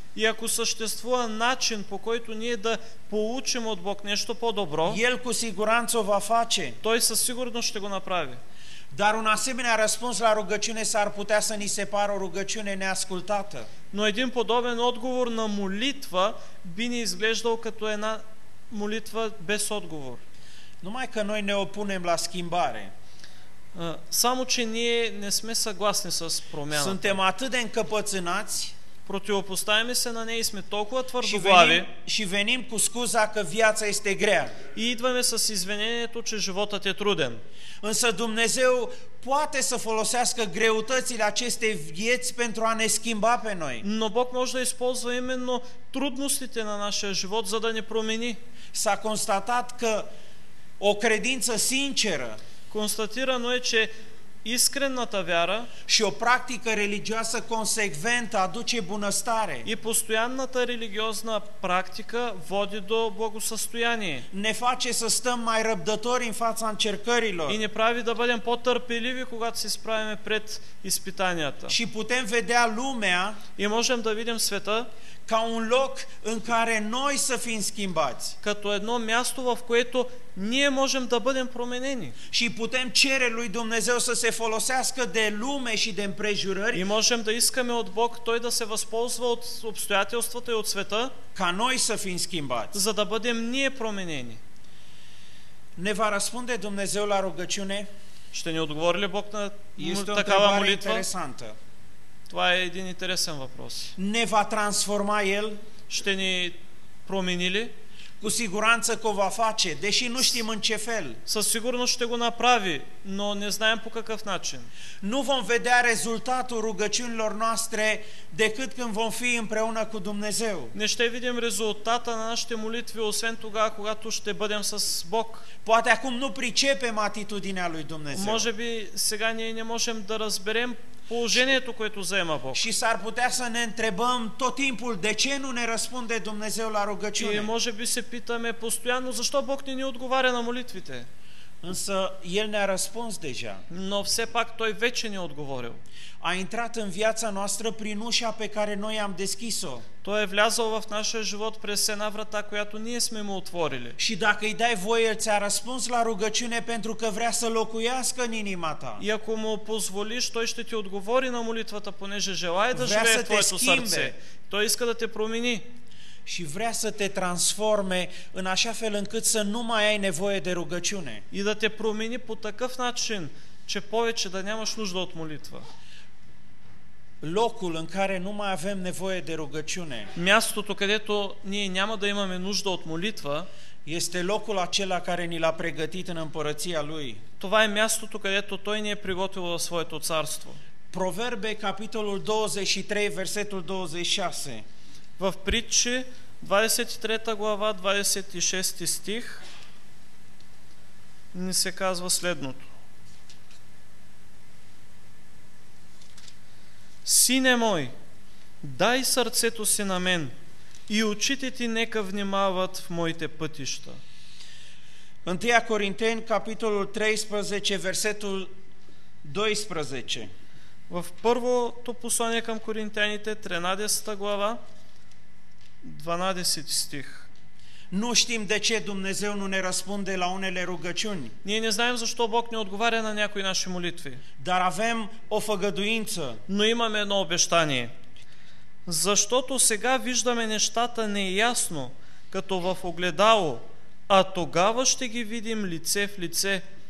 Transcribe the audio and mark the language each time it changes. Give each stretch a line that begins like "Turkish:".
Bulgarian: и ако съществува начин по който ние да получим от Бог нещо по-добро,
Romanian: El cu siguranță va face.
Bulgarian: Той със сигурност ще го направи.
Romanian: Dar un asemenea răspuns la rugăciune s-ar putea să ni se pară o rugăciune neascultată.
Bulgarian: Но един подобен отговор на молитва би ни изглеждал като една молитва без отговор.
Romanian: Numai că noi ne opunem la schimbare.
Bulgarian: Само че ние не сме съгласни с промяната.
Romanian: Suntem atât de încăpățânați,
Bulgarian: противопоставяме се на нея и сме толкова твърдоглави,
Romanian: și venim cu scuza că viața este grea.
Bulgarian: И идваме с извинението, че животът е труден.
Romanian: Însă Dumnezeu poate să folosească greutățile acestei vieți pentru a ne schimba pe noi.
Bulgarian: Но Бог може да използва именно трудностите на нашия живот, за да ни промени.
Romanian: S-a constatat că o credință sinceră,
Bulgarian: констатирано е, че искрената вяра
Romanian: și o practică religioasă consecventă aduce bunăstare.
Bulgarian: И постоянната религиозна практика води до благосъстояние.
Romanian: Ne face să stăm mai răbdători în fața încercărilor.
Bulgarian: И ни прави да бъдем по-търпеливи, когато се справяме пред изпитанията.
Romanian: Și putem vedea lumea,
Bulgarian: и можем да видим света,
Romanian: ca un loc în care noi să fim schimbați.
Bulgarian: Като едно място, в което ние можем да бъдем променени.
Romanian: Și putem cere lui Dumnezeu să se folosească de lume și de împrejurări.
Bulgarian: И можем да искаме от Бог Той да се възползва от обстоятелствата и от света.
Romanian: Ca noi să fim schimbați.
Bulgarian: За да бъдем ние променени.
Romanian: Ne va răspunde Dumnezeu la rugăciune?
Bulgarian: Ще ни отговори ли Бог на такава молитва?
Romanian: Interesantă.
Bulgarian: Това е един интересен въпрос.
Romanian: Не ва трансформа ел?
Bulgarian: Ще ни промени ли?
Romanian: Cu siguranță că o va face, deși nu știm în ce fel.
Bulgarian: Със сигурност ще го направи, но не знаем по какъв начин.
Romanian: Nu vom vedea rezultatul rugăciunilor noastre decât când vom fi împreună cu Dumnezeu.
Bulgarian: Не ще видим резултата на нашите молитви, освен тогава, когато ще бъдем с Бог.
Romanian: Poate acum nu pricepem atitudinea lui Dumnezeu.
Bulgarian: Може би сега ние не можем да разберем положението, което заема Бог.
Romanian: Și s-ar putea să ne întrebăm tot timpul de ce nu ne răspunde Dumnezeu la rugăciune.
Bulgarian: И може би се питаме постоянно защо Бог не ни отговаря на молитвите.
Romanian: Însă El ne-a răspuns deja.
Bulgarian: Но все пак Той вече ни е отговорил.
Romanian: A intrat în viața noastră prin ușa pe care noi am deschis-o.
Bulgarian: Той е влязъл в нашия живот през една врата, която ние сме му отворили.
Romanian: Și dacă îi dai voie, El ți-a răspuns la rugăciune pentru că vrea să locuiască în inima ta.
Bulgarian: И ако му позволиш, Той ще ти отговори на молитвата, понеже желая да живее в твоето сърце. Той иска да те промени.
Romanian: și vrea să te transforme în așa fel încât să nu mai ai nevoie de rugăciune.
Bulgarian: И да те промени по такъв начин, че повече да нямаш нужда от молитва.
Romanian: Locul în care nu mai avem nevoie de rugăciune.
Bulgarian: Мястото, където ние няма да имаме нужда от молитва,
Romanian: este locul acela care ni l-a pregătit în împărăția lui.
Bulgarian: Това е мястото, където той ни е приготвил в своето царство.
Romanian: Proverbe capitolul 23 versetul 26.
Bulgarian: В притчи 23 глава 26 стих ни се казва следното. Сине мой, дай сърцето си на мен и очите ти нека внимават в моите пътища.
Romanian: 1 Коринтен капитолul 13 versetul 12.
Bulgarian: В първото послание към коринтяните 13 глава 12 стих.
Romanian: Nu știm de ce Dumnezeu nu ne răspunde la unele rugăciuni.
Bulgarian: Ние не знаем защо Бог не отговаря на някои наши молитви.
Romanian: Dar avem o făgăduință.
Bulgarian: Но имаме едно обещание. Защото сега виждаме нещата неясно, като в огледало, а тогава ще ги видим лице в лице.